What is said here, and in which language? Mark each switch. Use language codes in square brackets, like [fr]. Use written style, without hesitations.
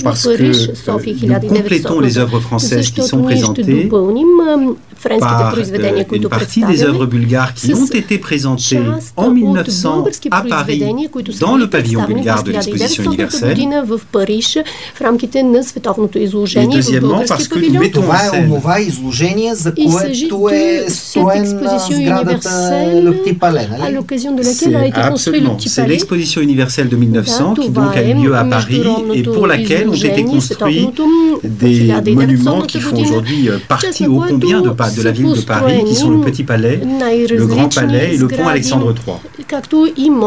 [fr] parce que nous complétons les œuvres françaises qui sont présentées par une partie des œuvres bulgares qui ont été présentées en 1900 à Paris dans le pavillon bulgare de l'exposition universelle. Et deuxièmement parce que [bg] това е онова изложение, за което е стоена сградата Le Petit Palais, нали? Абсолютно. [fr] C'est l'exposition universelle de 1900 qui donc a lieu à Paris et pour laquelle ont été construits des monuments qui font aujourd'hui partie au combien de pas de la ville de Paris, qui sont le Petit Palais, le Grand Palais et le pont Alexandre III.